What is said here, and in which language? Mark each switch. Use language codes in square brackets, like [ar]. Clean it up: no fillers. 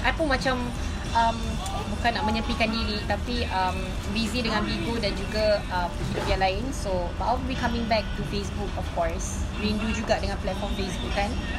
[ms] I pun macam bukan nak menyepikan diri. Tapi busy dengan Bigo dan juga hidup yang lain. [en] So but I'll be coming back to Facebook of course. [ms] Rindu juga dengan platform Facebook kan.